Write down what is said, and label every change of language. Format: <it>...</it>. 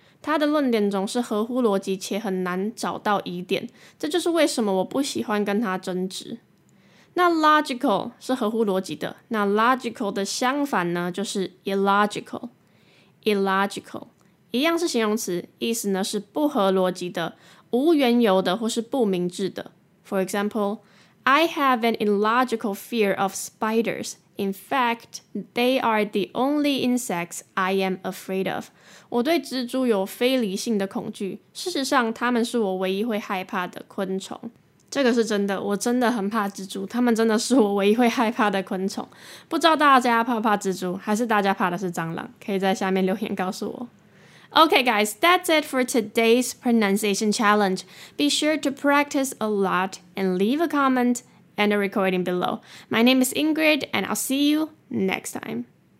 <zh>她的论点总是合乎逻辑且很难找到疑点。这就是为什么我不喜欢跟她争执。那 logical 是合乎逻辑的。那 logical 的相反呢就是 illogical。 illogical。一样是形容词，意思呢是不合逻辑的、无缘由的或是不明智的。</zh> <en>For example, I have an illogical fear of spiders. In fact, they are the only insects I am afraid of.</en> <zh>我对蜘蛛有非理性的恐惧，事实上，它们是我唯一会害怕的昆虫。这个是真的，我真的很怕蜘蛛，它们真的是我唯一会害怕的昆虫。不知道大家怕不怕蜘蛛，还是大家怕的是蟑螂？可以在下面留言告诉我。</zh> <en>Okay guys, that's it for today's pronunciation challenge. Be sure to practice a lot and leave a comment and a recording below. My name is Ingrid and I'll see you next time.</en>